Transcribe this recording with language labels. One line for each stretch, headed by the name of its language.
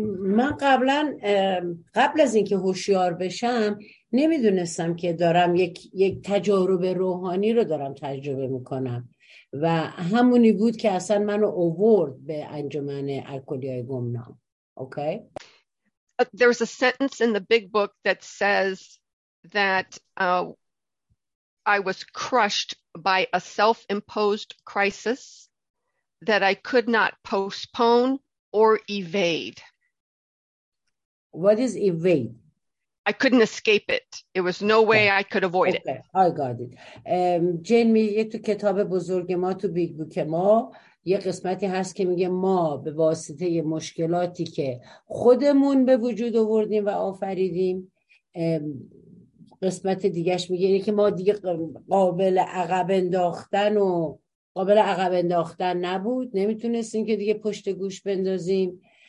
Persian: من قبل از اینکه هوشیار بشم نمیدونستم که دارم یک تجارب روحانی رو دارم تجربه میکنم و همونی بود که اصلا منو آورد به انجمن الکلی‌های گمنام. اوکی،
English: there is a sentence in the big book that says that I was crushed by a self-imposed crisis that I could not postpone or evade. What is evade? I couldn't escape it. It was no way I could avoid it. Okay, I got it.
Persian: جین میگه تو کتاب بزرگ ما، تو بیگ بوک ما، یه قسمتی هست که میگه ما به واسطه مشکلاتی که خودمون به وجود آوردیم و آفریدیم، قسمت دیگهش میگه اینه که ما دیگه قابل عقب انداختن و قابل عقب انداختن نبود، نمیتونستیم که دیگه پشت گوش بندازیم.